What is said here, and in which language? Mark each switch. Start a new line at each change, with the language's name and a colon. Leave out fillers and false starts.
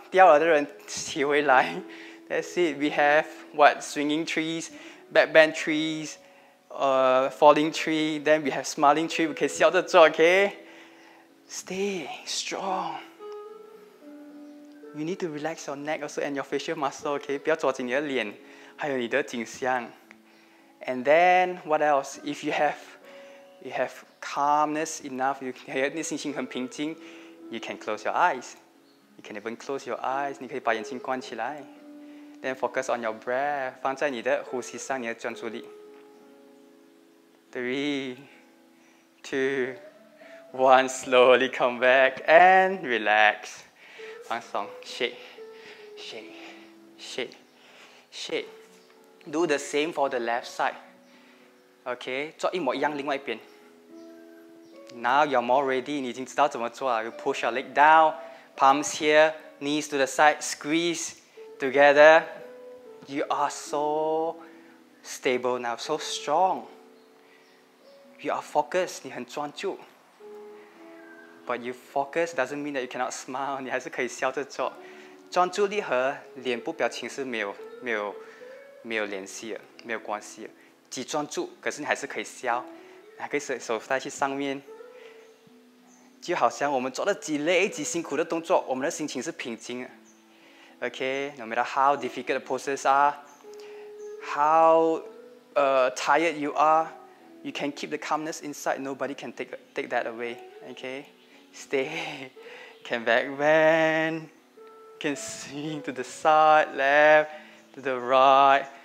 Chinese: 掉了的人起回来.
English: That's it, we have what? Swinging trees, backbend trees, falling tree, then we have smiling tree, we can
Chinese: 笑着做,
English: okay? Stay strong. You need to relax your neck also and your facial muscle, okay?
Chinese: 不要抓紧你的脸, 还有你的颈项.
English: And then, what else? If you have calmness enough, you can
Chinese: 你心情很平静,
English: you can close your eyes. You can even close your eyes,
Chinese: 你可以把眼睛关起来.
English: Then focus on your breath,
Chinese: 放在你的呼吸上你的专注力.
English: 3, 2, 1, slowly come back and relax. 放松, shake, shake, shake, shake. Do the same for the left side. Okay,
Chinese: 做一模一样另外一边.
English: Now you're more ready,
Chinese: 你已经知道怎么做了.
English: You push your leg down, palms here, knees to the side, squeeze together. You are so stable now, so strong. You are focused,
Chinese: 你很专注.
English: But you focus doesn't mean that you cannot smile,
Chinese: 你还是可以笑着做. 专注力和脸部表情是没有联系的，没有关系的. 只专注, 可是你还是可以笑, 还可以手放在上面. 就好像我们做了几累几辛苦的动作, 我们的心情是平静的.
English: Okay, no matter how difficult the poses are, how tired you are, you can keep the calmness inside. Nobody can take that away. Okay, stay. Can backbend. Can swing to the side, left, to the right.